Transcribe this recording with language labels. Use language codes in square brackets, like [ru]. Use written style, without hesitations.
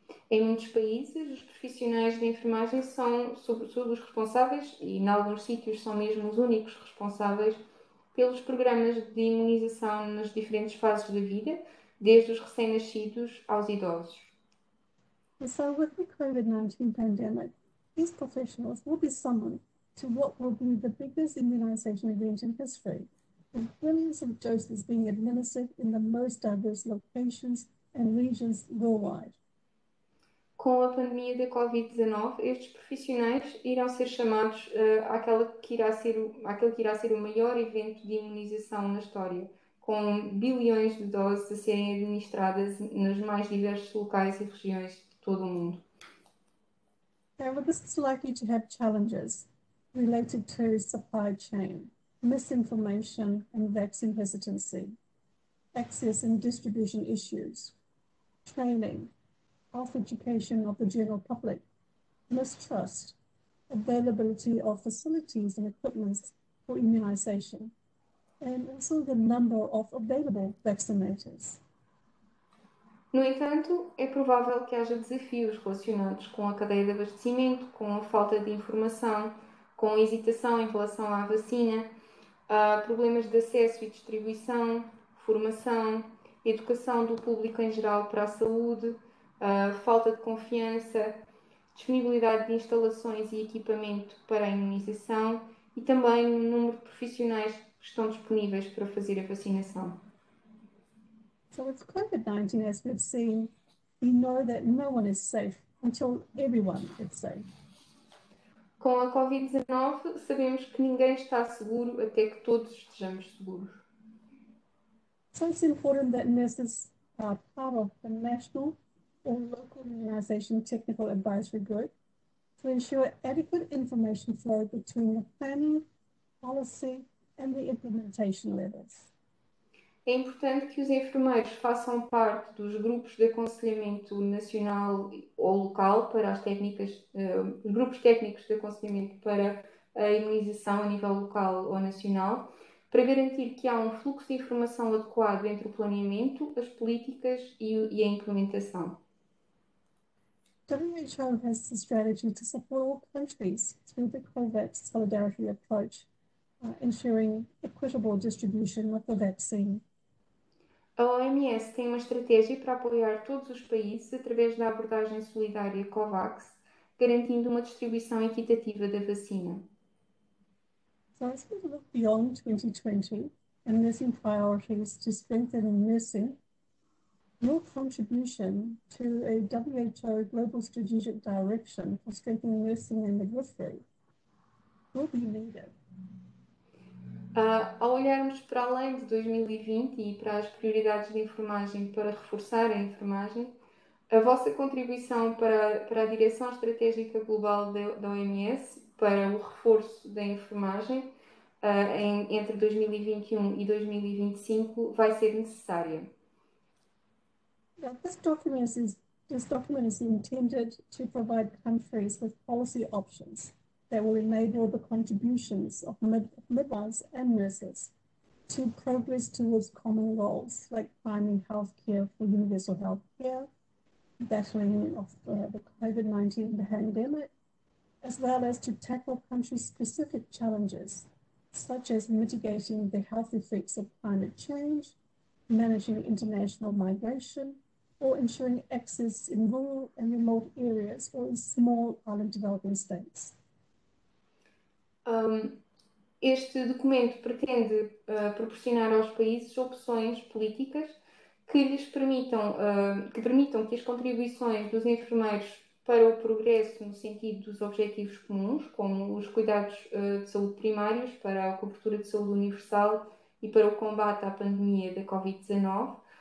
[pt] Em muitos países, os profissionais de enfermagem são, sobretudo, os responsáveis, e em alguns sítios são mesmo os únicos responsáveis, pelos programas de imunização nas diferentes fases da vida, desde os recém-nascidos aos idosos. [en] So, with the COVID-19 pandemic, these professionals will be summoned to what will be the biggest immunization event in history, with billions of doses being administered in the most diverse locations and regions worldwide. [pt] Com a pandemia da Covid-19, estes profissionais irão ser chamados àquele que irá ser o maior evento de imunização na história, com bilhões de doses a serem administradas nos mais diversos locais e regiões de todo o mundo. [en] However, this is likely to have challenges related to supply chain, misinformation and vaccine hesitancy, access and distribution issues, training, health education of the general public, mistrust, availability of facilities and equipment for immunization, and also the number of available vaccinators. [pt] No entanto, é provável que haja desafios relacionados com a cadeia de abastecimento, com a falta de informação, com a hesitação em relação à vacina, a problemas de acesso e distribuição, formação, educação do público em geral para a saúde, a falta de confiança, disponibilidade de instalações e equipamento para a imunização e também o número de profissionais que estão disponíveis para fazer a vacinação. [en] So with COVID-19, as we've seen, we know that no one is safe until everyone is safe. [pt] Com a Covid-19, sabemos que ninguém está seguro até que todos estejamos seguros. [en] So it's important that nurses are part of the national or local immunization technical advisory group to ensure adequate information flow between the planning, policy, and the implementation levels. [pt] É importante que os enfermeiros façam parte dos grupos de aconselhamento nacional ou local para as técnicas, grupos técnicos de aconselhamento para a imunização a nível local ou nacional, para garantir que há um fluxo de informação adequado entre o planeamento, as políticas e a implementação. [en] WHO has the strategy to support all countries through the COVAX solidarity approach, ensuring equitable distribution of the vaccine. [pt] A OMS tem uma estratégia para apoiar todos os países através da abordagem solidária COVAX, garantindo uma distribuição equitativa da vacina. [en] So as we look beyond 2020 and nursing priorities to strengthen nursing, your contribution to a WHO Global Strategic Direction for Strengthening Nursing and Midwifery will be needed. [pt] Ao olharmos para além de 2020 e para as prioridades de enfermagem para reforçar a enfermagem, a vossa contribuição para a direção estratégica global da OMS para o reforço da enfermagem, entre 2021 e 2025 vai ser necessária. [en] Now, this document is intended to provide countries with policy options that will enable the contributions of midwives and nurses to progress towards common goals like finding health care for universal health care, battling of the COVID-19 pandemic, as well as to tackle country-specific challenges such as mitigating the health effects of climate change, managing international migration, or ensuring access in rural and remote areas or in small island developing states. [pt] Este documento pretende proporcionar aos países opções políticas que permitam que as contribuições dos enfermeiros para o progresso no sentido dos objetivos comuns, como os cuidados de saúde primários para a cobertura de saúde universal e para o combate à pandemia da Covid-19,